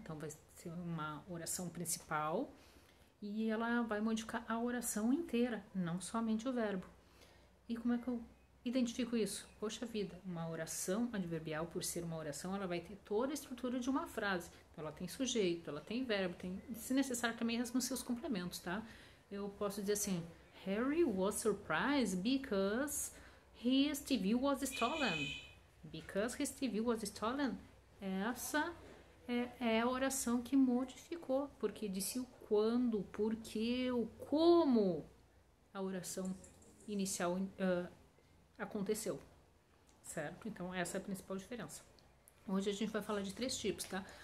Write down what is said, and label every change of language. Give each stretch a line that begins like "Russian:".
Portuguese: Então vai ser uma oração principal. E ela vai modificar a oração inteira, não somente o verbo. E como é que eu identifico isso? Poxa vida, uma oração adverbial, por ser uma oração, ela vai ter toda a estrutura de uma frase. Então, ela tem sujeito, ela tem verbo, tem, se necessário, também mesmo seus complementos, tá? Eu posso dizer assim:
English: Harry was surprised because his TV was stolen. Because his TV was stolen.
Portuguese: Essa é a oração que modificou, porque disse o quando, porque, o como a oração inicial aconteceu, certo? Então essa é a principal diferença. Hoje a gente vai falar de três tipos, tá?